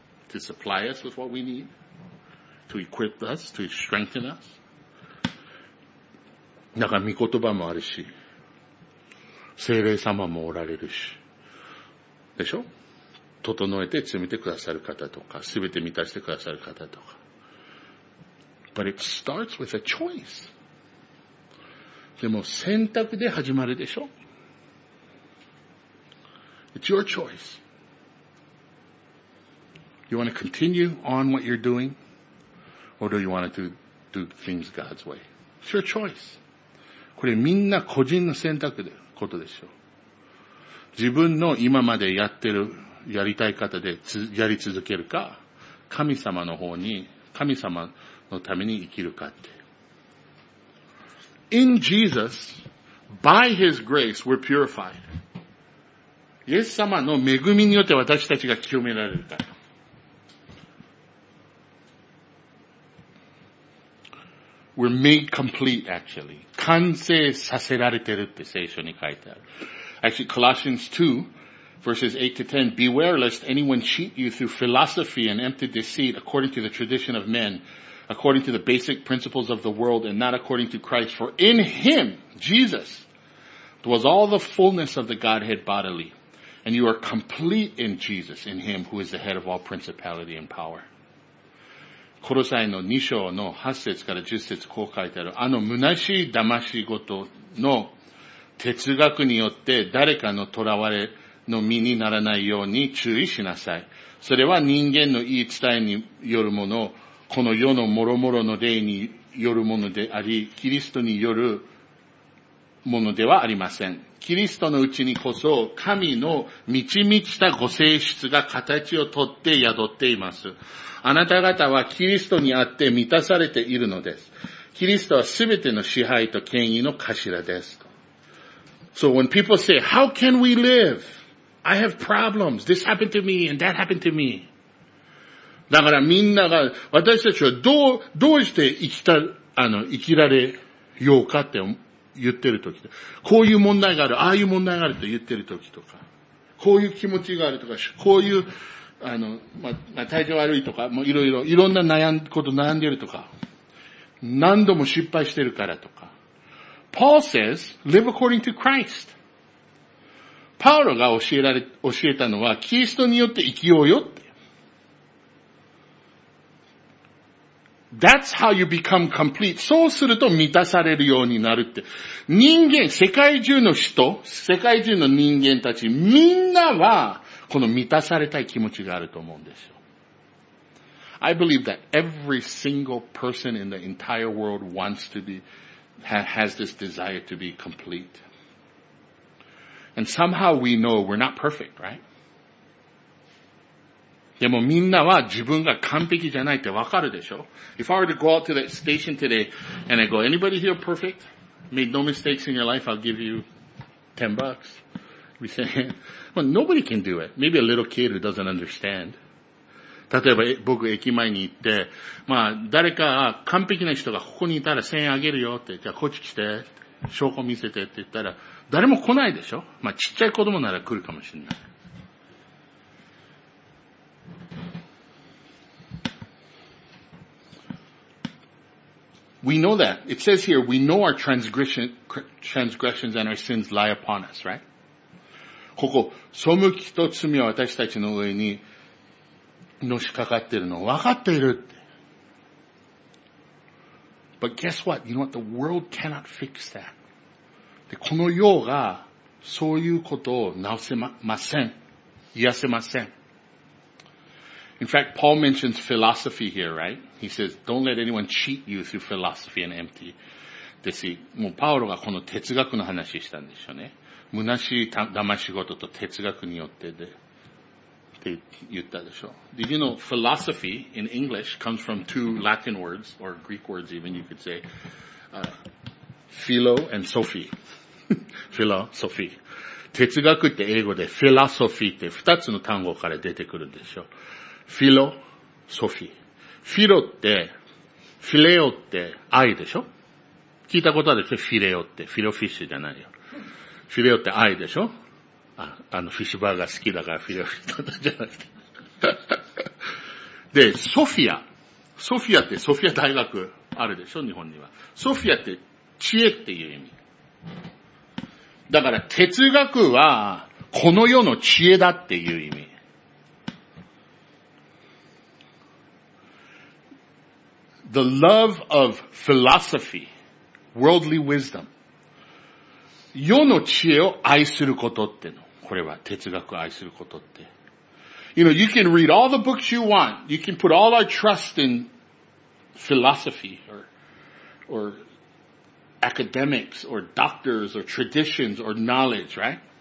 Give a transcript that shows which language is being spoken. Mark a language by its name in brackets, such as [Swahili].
[English] To supply us with what we need, to equip us, to strengthen us. [Japanese] だから御言葉もあるし、聖霊様もおられるし、でしょ？整えて詰めてくださる方とか、すべて満たしてくださる方とか。 [English] But it starts with a choice. [Japanese] でも選択で始まるでしょ？ [English] It's your choice. You want to continue on what you're doing? Or do you want to do things God's way? It's your choice. [Japanese] これみんな個人の選択で、ことでしょう。自分の今までやってる、やりたい方でやり続けるか、神様の方に、神様のために生きるかって。 [English] In Jesus, by His grace, we're purified. [Japanese] イエス様の恵みによって私たちが清められるから。 [English] We're made complete, actually. [Japanese] 完成させられてるって聖書に書いてある。 [English] Actually, Colossians 2, verses 8 to 10, Beware lest anyone cheat you through philosophy and empty deceit according to the tradition of men, according to the basic principles of the world, and not according to Christ. For in Him, Jesus, dwells all the fullness of the Godhead bodily. And you are complete in Jesus, in Him who is the head of all principality and power. [Japanese] コロサイの2章の8節から10節こう書いてある。あの虚しい騙し事の哲学によって誰かの囚われの身にならないように注意しなさい。それは人間の言い伝えによるもの、この世の諸々の霊によるものであり、キリストによるものではありません。キリストのうちにこそ神の満ち満ちたご性質が形をとって宿っています。あなた方はキリストにあって満たされているのです。キリストはすべての支配と権威の頭です。 [English] So when people say, how can we live? I have problems. This happened to me and that happened to me. [Japanese] だからみんなが、私たちはどうして生きられようかって言ってる時とこういう問題がある、ああいう問題があると言ってる時とか、こういう気持ちがあるとか、こういう、体調悪いとか、もういろいろ、いろんな悩んこと悩んでるとか、何度も失敗してるからとか。 [English] Paul says, live according to Christ. [Japanese] パウロが教えたのは、キリストによって生きようよって。 [English] That's how you become complete. [Japanese] そうすると満たされるようになるって。人間、世界中の人、世界中の人間たち、みんなは、この満たされたい気持ちがあると思うんですよ。 [English] I believe that every single person in the entire world wants to be, has this desire to be complete. And somehow we know we're not perfect, right? [Japanese] でもみんなは自分が完璧じゃないってわかるでしょ? [English] If I were to go out to that station today and I go, anybody here perfect? Made no mistakes in your life, I'll give you $10. We say, well, nobody can do it. Maybe a little kid who doesn't understand. [Japanese] 例えば僕駅前に行って、まあ誰か完璧な人がここにいたら1000円あげるよって、じゃあこっち来て、証拠見せてって言ったら、誰も来ないでしょ? まあちっちゃい子供なら来るかもしれない。 [English] We know that. It says here, we know our transgressions and our sins lie upon us, right? [Japanese] ここ、背きと罪は私たちの上にのしかかっているのを分かっているって。 [English] But guess what? You know what? The world cannot fix that. [Japanese] で、この世がそういうことを治せません。癒せません。 [English] In fact, Paul mentions philosophy here, right? He says, don't let anyone cheat you through philosophy and empty deceit. [Japanese] もうパウロがこの哲学の話したんでしょうね。虚しい騙し事と哲学によってで、って言ったでしょう。 [English] Did you know philosophy in English comes from two Latin words, or Greek words even you could say, philo and sophie. [Japanese] philo, sophie. 哲学って英語で philosophy って二つの単語から出てくるでしょう。フィロソフィー。フィロって、フィレオって愛でしょ？聞いたことあるでしょ？フィレオって。フィロフィッシュじゃないよ。フィレオって愛でしょ？あの、フィッシュバーガー好きだからフィレオフィッシュじゃなくて。で、ソフィア。ソフィアってソフィア大学あるでしょ？日本には。ソフィアって知恵っていう意味。だから哲学はこの世の知恵だっていう意味。 [English] The love of philosophy, worldly wisdom. [Japanese] 世の知恵を愛することっての。これは哲学を愛することって。 [English] You know, you can read all the books you want. You can put all our trust in philosophy or academics or doctors or traditions or knowledge, right?